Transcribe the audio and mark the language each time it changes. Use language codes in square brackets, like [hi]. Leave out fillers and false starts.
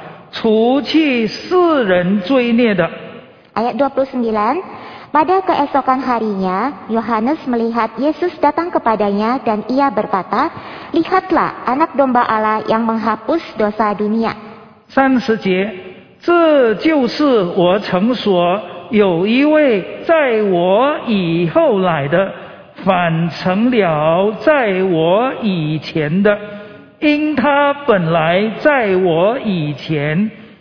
[zh] 好，中文的先跟牧师开始，预备起，吃了。约翰看见耶稣来到他那里，就说：“看哪，上帝的羔羊，除去世人罪孽的。” [id] Ayat 29, pada keesokan harinya, Yohanes melihat Yesus datang kepadanya dan ia berkata, "Lihatlah anak domba Allah yang menghapus dosa dunia." [zh] 30节，这就是我曾说有一位在我以后来的，反成了在我以前的，因他本来在我以前。